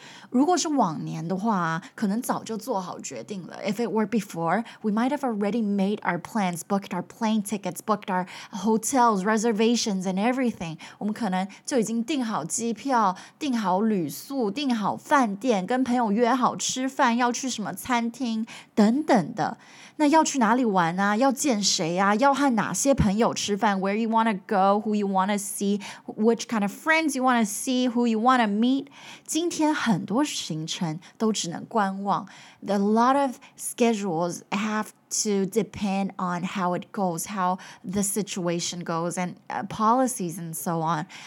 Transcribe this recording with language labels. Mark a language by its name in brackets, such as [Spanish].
[Chinese] 如果是往年的话，可能早就做好决定了。 [English] If it were before, we might have already made our plans, booked our plane tickets, booked our hotels, reservations, and everything. [Chinese] 我们可能就已经订好机票、订好旅宿、订好饭店，跟朋友约好吃饭，要去什么餐厅等等的。那要去哪里玩啊？要见谁啊？要和哪些朋友吃饭？ [English] Where you want to go? Who you want to see? Which kind of friends you want to see? Who you want to meet? [Chinese] 今天很多行程都只能观望。 [English] A lot of schedules have to depend on how it goes, how the situation goes, and policies and so on.